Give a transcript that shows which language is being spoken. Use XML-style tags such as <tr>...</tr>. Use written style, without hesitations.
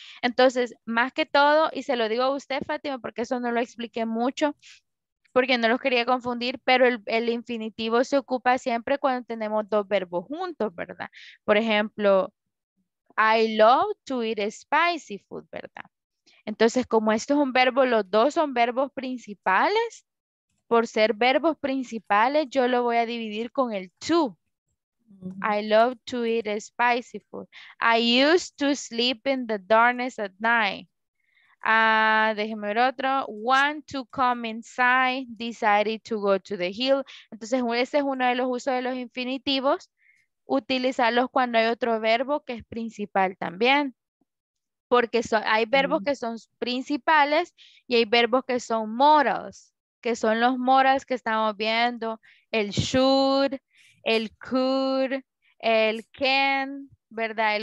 <es>Entonces, más que todo, y se lo digo a usted, Fátima, porque eso no lo expliqué mucho, porque no los quería confundir, pero el infinitivo se ocupa siempre cuando tenemos dos verbos juntos, ¿verdad? Por ejemplo,</es> <en>I love to eat spicy food,</en> <es>¿verdad? Entonces, como esto es un verbo, los dos son verbos principales, por ser verbos principales, yo lo voy a dividir con el to.</es> <en>I love to eat spicy food. I used to sleep in the darkness at night.</en> <es>Déjeme ver otro.</es> <en>Want to come inside, decided to go to the hill.</en> <es>Entonces, ese es uno de los usos de los infinitivos. Utilizarlos cuando hay otro verbo que es principal también. Porque hay verbos que son principales y hay verbos que son modals, que son los morals que estamos viendo, el should, el could, el can, ¿verdad?</es>